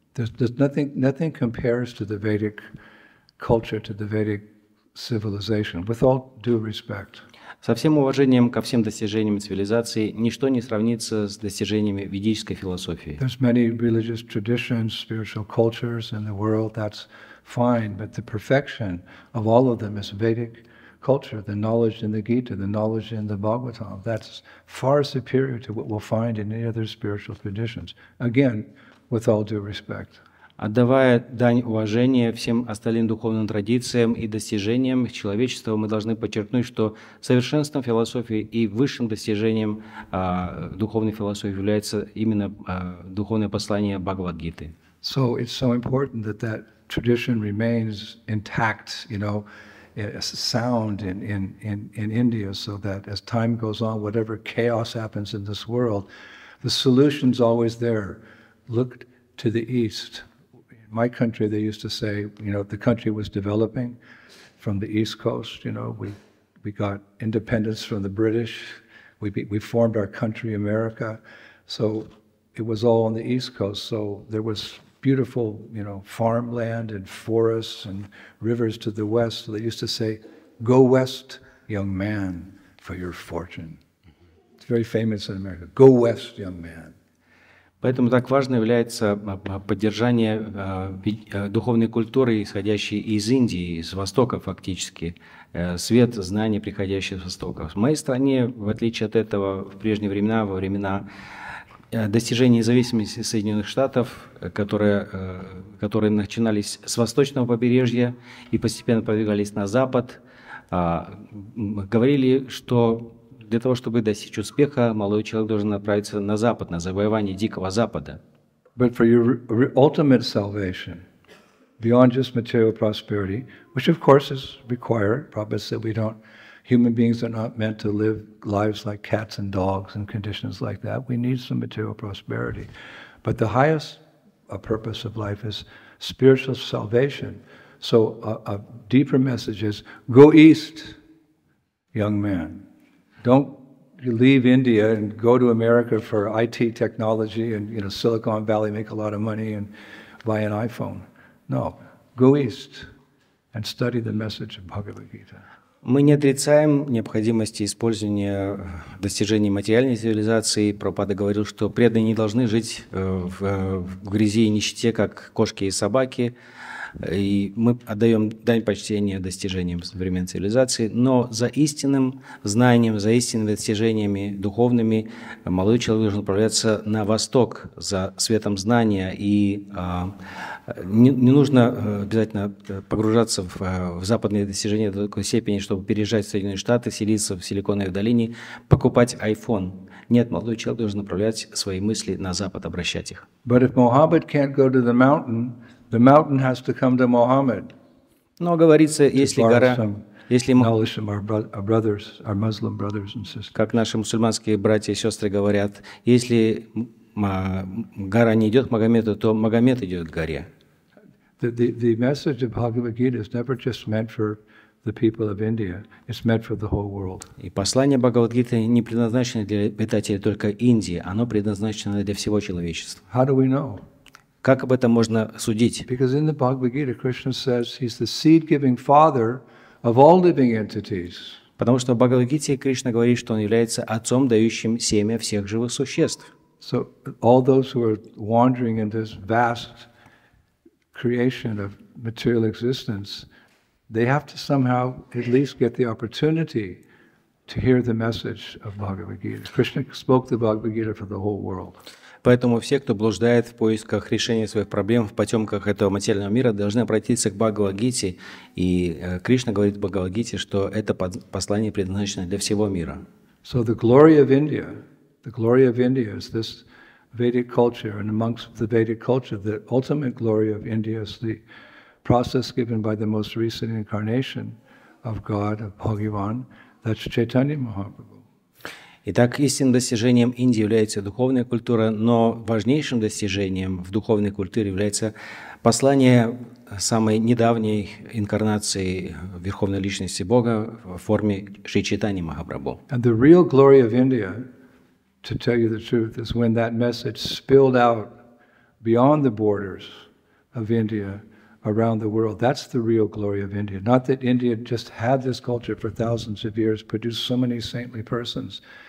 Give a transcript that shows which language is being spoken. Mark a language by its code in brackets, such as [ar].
[en] There's nothing compares to the Vedic culture, to the Vedic civilization, with all due respect. [ru] Со всем уважением ко всем достижениям цивилизации, ничто не сравнится с достижениями ведической философии. [en] There's many religious traditions, spiritual cultures in the world, that's fine, but the perfection of all of them is Vedic culture, the knowledge in the Gita, the knowledge in the Bhagavatam, that's far superior to what we'll find in any other spiritual traditions. Again, with all due respect. [ru] Отдавая дань уважения всем остальным духовным традициям и достижениям человечества, мы должны подчеркнуть, что совершенством философии и высшим достижением духовной философии является именно духовное послание Бхагавад-гиты. [en] So it's so important that that tradition remains intact, you know, sound in India, so that as time goes on, whatever chaos happens in this world, the solution's always there. Look to the east. In my country, they used to say, you know, the country was developing from the east coast. You know, we got independence from the British. We formed our country, America. So it was all on the east coast. So there was beautiful, you know, farmland and forests and rivers to the west. So they used to say, go west, young man, for your fortune. It's very famous in America. Go west, young man. [ru] Поэтому так важно является поддержание духовной культуры, исходящей из Индии, из Востока фактически, свет знаний, приходящий с Востока. В моей стране, в отличие от этого, в прежние времена, во времена достижения независимости Соединенных Штатов, которые начинались с восточного побережья и постепенно продвигались на запад, говорили, что для того, чтобы достичь успеха, молодой человек должен отправиться на запад, на завоевание Дикого Запада. [en] But for your ultimate salvation, beyond just material prosperity, which of course is required, Prabhupada said we don't, Human beings are not meant to live lives like cats and dogs in conditions like that. We need some material prosperity. But the highest purpose of life is spiritual salvation. So a deeper message is, go east, young man. Don't leave India and go to America for IT technology and, you know, Silicon Valley, make a lot of money and buy an iPhone. No, go east and study the message of Bhagavad Gita. [ru] Мы не отрицаем необходимости использования достижений материальной цивилизации. Прабхупада говорил, что преданные не должны жить в грязи и нищете, как кошки и собаки. И мы отдаем дань почтения достижениям современной цивилизации. Но за истинным знанием, за истинными достижениями духовными молодой человек должен направляться на восток, за светом знания. И не нужно обязательно погружаться в западные достижения до такой степени, чтобы переезжать в Соединенные Штаты, селиться в Силиконовой долине, покупать iPhone. Нет, молодой человек должен направлять свои мысли на запад, обращать их. [en] But if Muhammad can't go to the mountain, the mountain has to come to Muhammad. [ru] Но говорится, если гора, если как наши мусульманские братья и сестры говорят, если гора не идет к Магомету, то Магомед идет к горе. [en] The message of Bhagavad Gita is never just meant for the people of India. It's meant for the whole world. [ru] И послание Бхагавад Гиты не предназначено для обитателей только Индии, оно предназначено для всего человечества. [en] How do we know? [ru] Как об этом можно судить? [en] Because in the Bhagavad Gita, Krishna says he's the seed-giving father of all living entities. [ru] Потому что в Бхагавад Гите Кришна говорит, что он является отцом, дающим семя всех живых существ. [en] So all those who are wandering in this vast creation of material existence, they have to somehow at least get the opportunity to hear the message of Bhagavad Gita. Krishna spoke the Bhagavad Gita for the whole world. [ru] Поэтому все, кто блуждает в поисках решения своих проблем в потемках этого материального мира, должны обратиться к Бхагавад-гите. И Кришна говорит в Бхагавад-гите, что это послание предназначено для всего мира. [en] So the glory of India, the glory of India is this Vedic culture, and amongst the Vedic culture, the ultimate glory of India is the process given by the most recent incarnation of God, of Bhagavan, that's Chaitanya Mahaprabhu. [ru] Итак, истинным достижением Индии является духовная культура, но важнейшим достижением в духовной культуре является послание самой недавней инкарнации Верховной Личности Бога в форме Шри Чайтаньи Махапрабху. [en] And the real glory of India, to tell you the truth, is when that message spilled out beyond the borders of India around the world. That's the real glory of India. Not that India just had this culture for thousands of years, produced so many saintly persons.